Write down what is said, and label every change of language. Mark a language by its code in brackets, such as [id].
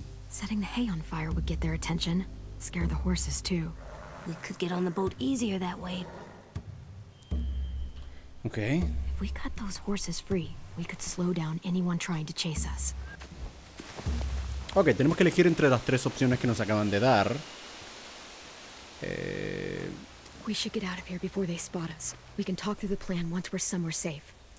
[en] Setting the hay on fire would get their attention. Scare the horses too. We could get on the boat easier that way. Okay. If we cut those horses free, we could slow down anyone trying to chase us. [es] Okay, tenemos que elegir entre las tres opciones que nos acaban de dar. [en] We should get out of here before they spot us. We can talk through the plan once we're somewhere safe.